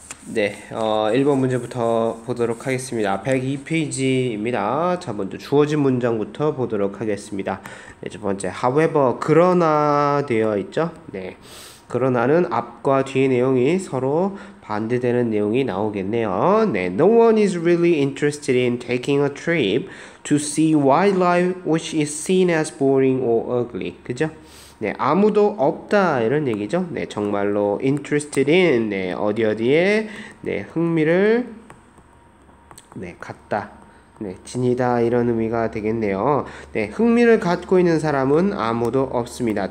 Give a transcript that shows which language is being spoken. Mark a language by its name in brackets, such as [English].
[Korean] 1번 문제부터 보도록 하겠습니다. 102페이지입니다. 자, 먼저 주어진 문장부터 보도록 하겠습니다. 첫 번째, however, 그러나 되어 있죠? 그러나는 앞과 뒤의 내용이 서로 반대되는 내용이 나오겠네요. [English] No one is really interested in taking a trip to see wildlife which is seen as boring or ugly. [Korean] 그죠? 아무도 없다 이런 얘기죠. 정말로 interested in 어디 어디에 흥미를 갖다 지니다 이런 의미가 되겠네요. 흥미를 갖고 있는 사람은 아무도 없습니다.